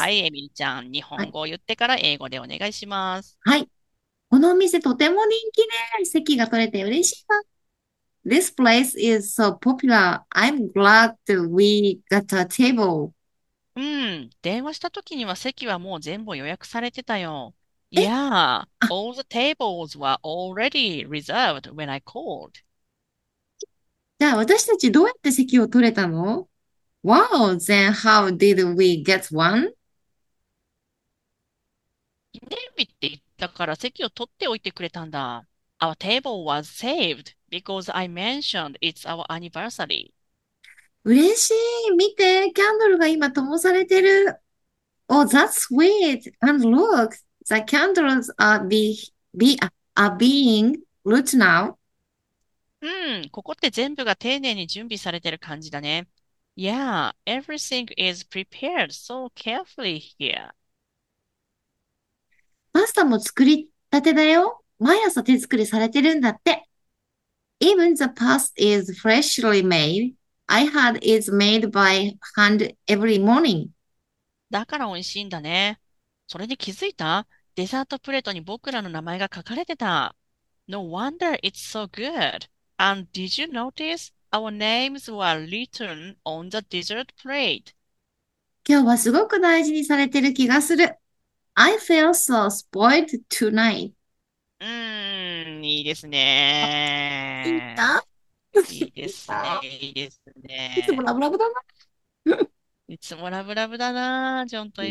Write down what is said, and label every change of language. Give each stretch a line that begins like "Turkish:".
Japanese: はい、エミリちゃん、日本語を言ってから英語でお願いします。はい。このお店とても人気で席が取れて嬉しいわ。
English: This place is so popular. I'm glad we got a table.
Japanese: うん、電話した時には席はもう全部予約されてたよ。
English: Yeah, all the tables were already reserved when I called.
Japanese: ゃあ私たちどうやって席を取れたの？
English: Wow, then how did we get one?
Japanese: 記念日って言ったから席を取っておいてくれたんだ。
English: Our table was saved because I mentioned it's our anniversary.
Japanese: 嬉しい。見て、キャンドルが今灯されてる。
English: Oh, that's sweet. And look, the candles are being lit now.
Japanese: うん、ここって全部が丁寧に準備されてる感じだね。
English: Yeah, everything is prepared so carefully here.
Japanese: パスタも作りたてだよ。毎朝手作りされてるんだって。
English: Even the pasta is freshly made. I heard it's made by hand every morning.
Japanese: だから美味しいんだね。それで気づいた？デザートプレートに僕らの名前が書かれてた。
English: No wonder it's so good. And did you notice our names were written on the dessert plate?
Japanese: 今日はすごく大事にされてる気がする。
English: I feel so spoiled tonight.
Japanese: いいですいいんね。だ。いいですね。いいですいつもね。ラブラブだな。いつもラブラブだな、ジョン とエ